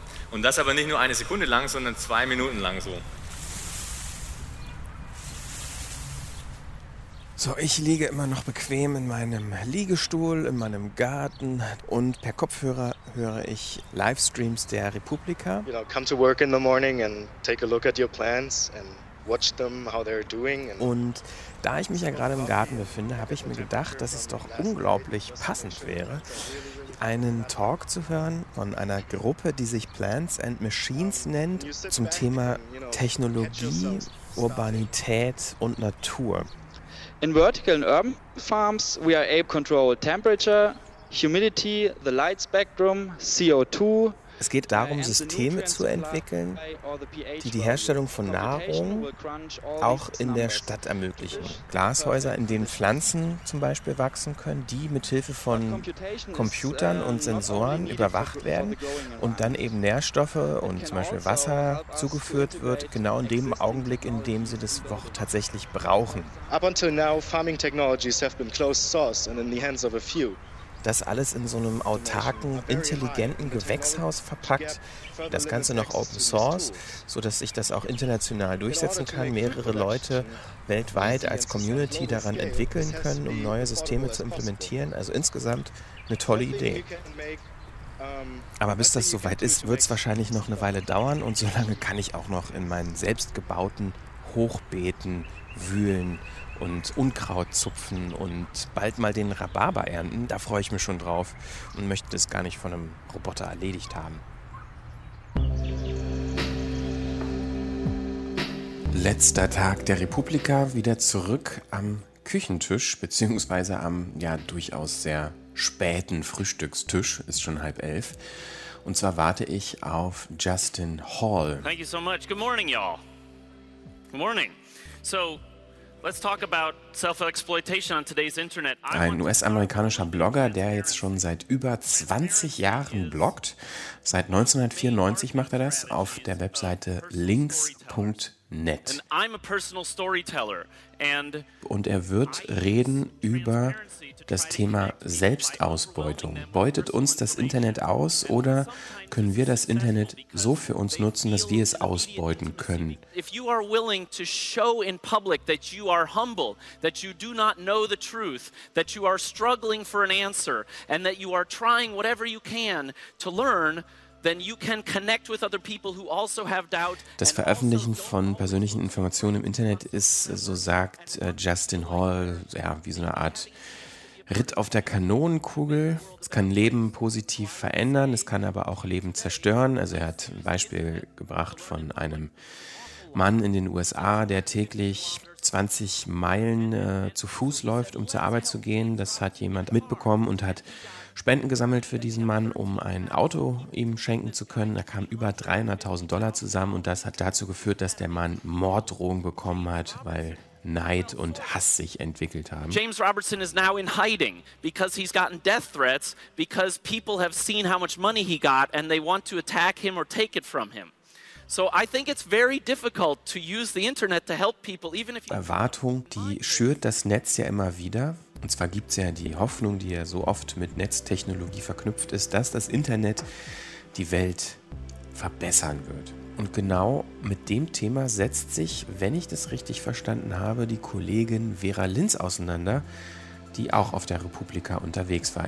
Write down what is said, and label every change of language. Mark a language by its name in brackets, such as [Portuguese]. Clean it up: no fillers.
[German] Und das aber nicht nur eine Sekunde lang, sondern 2 Minuten lang so. So, ich liege immer noch bequem in meinem Liegestuhl, in meinem Garten und per Kopfhörer höre ich Livestreams der Republika. [English] You know, come to work in the morning and take a look at your plants and watch them, how they're doing. [German] Und da ich mich ja gerade im Garten befinde, habe ich mir gedacht, dass es doch unglaublich passend wäre, einen Talk zu hören von einer Gruppe, die sich Plants and Machines nennt, zum Thema Technologie, Urbanität und Natur. [English] In vertical and urban farms, we are able to control temperature, humidity, the light spectrum, CO2. [German] Es geht darum, Systeme zu entwickeln, die die Herstellung von Nahrung auch in der Stadt ermöglichen. Glashäuser, in denen Pflanzen zum Beispiel wachsen können, die mithilfe von Computern und Sensoren überwacht werden und dann eben Nährstoffe und zum Beispiel Wasser zugeführt wird, genau in dem Augenblick, in dem sie das Wort tatsächlich brauchen. [English] Up until now, farming technologies have been closed source and in the hands of a few. [German] Das alles in so einem autarken, intelligenten Gewächshaus verpackt, das Ganze noch Open Source, sodass sich das auch international durchsetzen kann, mehrere Leute weltweit als Community daran entwickeln können, um neue Systeme zu implementieren. Also insgesamt eine tolle Idee. Aber bis das soweit ist, wird es wahrscheinlich noch eine Weile dauern und solange kann ich auch noch in meinen selbstgebauten Hochbeeten wühlen und Unkraut zupfen und bald mal den Rhabarber ernten. Da freue ich mich schon drauf und möchte das gar nicht von einem Roboter erledigt haben. Letzter Tag der Republika, wieder zurück am Küchentisch, beziehungsweise am durchaus sehr späten Frühstückstisch, ist schon 22:30. Und zwar warte ich auf Justin Hall. [English] Thank you so much. Good morning, y'all. Good morning. So, Let's talk about self-exploitation on today's internet. [German] Ein US-amerikanischer Blogger, der jetzt schon seit über 20 Jahren bloggt. Seit 1994 macht er das auf der Webseite links.net. [English] I'm a personal storyteller. [German] Und er wird reden über das Thema Selbstausbeutung. Beutet uns das Internet aus oder können wir das Internet so für uns nutzen, dass wir es ausbeuten können? [English] If you are willing to show in public that you are humble, that you do not know the truth, that you are struggling for an answer and that you are trying whatever you can to learn, then you can connect with other people who also have doubt. [German] Das Veröffentlichen von persönlichen Informationen im Internet ist, so sagt Justin Hall, ja, wie so eine Art Ritt auf der Kanonenkugel. Es kann Leben positiv verändern, es kann aber auch Leben zerstören. Also er hat ein Beispiel gebracht von einem Mann in den USA, der täglich 20 Meilen zu Fuß läuft, um zur Arbeit zu gehen. Das hat jemand mitbekommen und hat Spenden gesammelt für diesen Mann, um ein Auto ihm schenken zu können. Da kamen über $300.000 zusammen und das hat dazu geführt, dass der Mann Morddrohungen bekommen hat, weil Neid und Hass sich entwickelt haben. [English] James Robertson is now in hiding because he's gotten death threats because people have seen how much money he got and they want to attack him or take it from him. So I think it's very difficult to use the internet to help people even if [German] Erwartung, die schürt das Netz ja immer wieder. Und zwar gibt's ja die Hoffnung, die ja so oft mit Netztechnologie verknüpft ist, dass das Internet die Welt verbessern wird. Und genau mit dem Thema setzt sich, wenn ich das richtig verstanden habe, die Kollegin Vera Linz auseinander, die auch auf der Republika unterwegs war.